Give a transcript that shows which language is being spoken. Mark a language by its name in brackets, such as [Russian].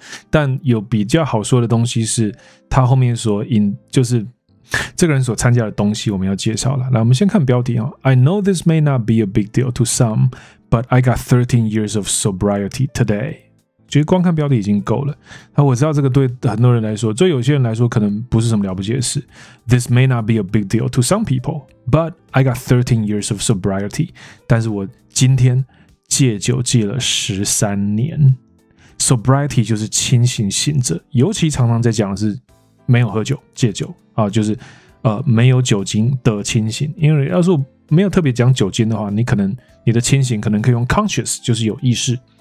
[Chinese] 但有比较好说的东西是他后面所引，就是这个人所参加的东西我们要介绍了。来，我们先看标题哦。 [English] I know this may not be a big deal to some, but I got 13 years of sobriety today. [Chinese] 其实光看标题已经够了。我知道这个对很多人来说，对有些人来说可能不是什么了不起的事。 [English] This may not be a big deal to some people, but I got 13 years of sobriety. [Chinese] 但是我今天戒酒戒了13年。 Sobriety 就是清醒醒着，尤其常常在讲的是没有喝酒戒酒、啊、就是、没有酒精的清醒。因为要是我没有特别讲酒精的话，你可能你的清醒可能可以用 conscious， 就是有意识。